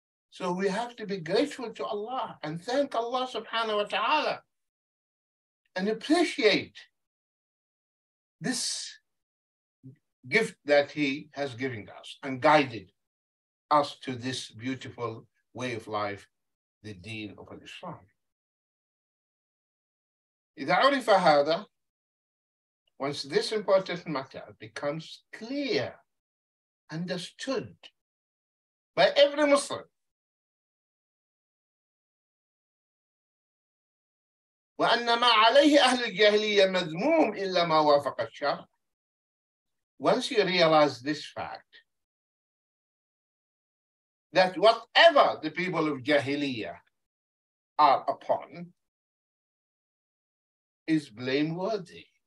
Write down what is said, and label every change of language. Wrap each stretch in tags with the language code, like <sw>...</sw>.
<en>So we have to be grateful to Allah and thank Allah subhanahu wa ta'ala and appreciate this gift that he has given us and guided us to this beautiful way of life, the deen of Islam.</en> <ar>إذا عرف هذا,</ar> <en>once this important matter becomes clear, understood by every Muslim,</en> <ar>وأن ما عليه أهل الجاهلية مذموم إلا ما وافق الشرع.</ar> <en>Once you realize this fact, that whatever the people of Jahiliya are upon is blameworthy.</en>